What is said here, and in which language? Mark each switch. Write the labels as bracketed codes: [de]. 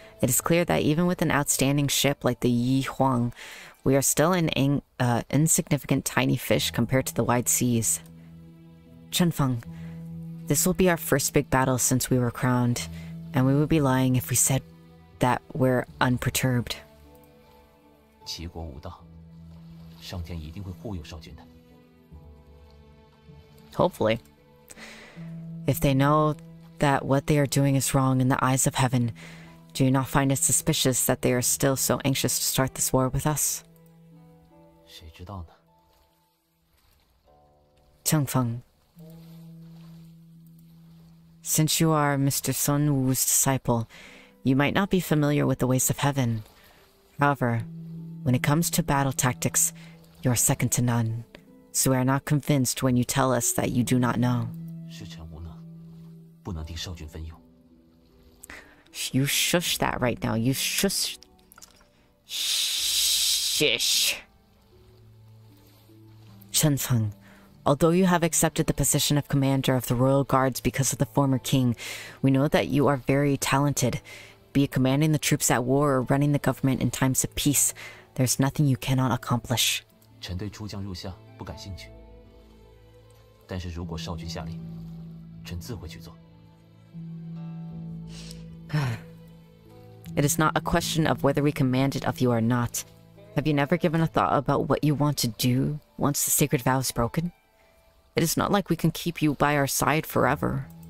[en] It is clear that even with an outstanding ship like the Yi Huang, we are still an insignificant tiny fish compared to the wide seas. Chen Feng, This will be our first big battle since we were crowned, and we would be lying if we said that we're unperturbed. [zh] 齐国无道，上天一定会护佑少君的。 [en] Hopefully. If they know that what they are doing is wrong in the eyes of heaven, do you not find it suspicious that they are still so anxious to start this war with us? [zh] 谁知道呢？郑峰。 [en] Since you are Mr. Sun Wu's disciple, you might not be familiar with the ways of heaven. However, when it comes to battle tactics, you are second to none. So we are not convinced when you tell us that you do not know. [zh] 是臣无能，不能替少君分忧。 [en] You shush that right now. You shush. Shish. [zh] 陈峰。 [en] Although you have accepted the position of commander of the royal guards because of the former king, we know that you are very talented. Be it commanding the troops at war or running the government in times of peace, there's nothing you cannot accomplish. [zh] 臣对出将入相不感兴趣。但是如果少君下令，臣自会去做。 [en] It is not a question of whether we command it of you or not. Have you never given a thought about what you want to do once the sacred vow is broken? It is not like we can keep you by our side forever.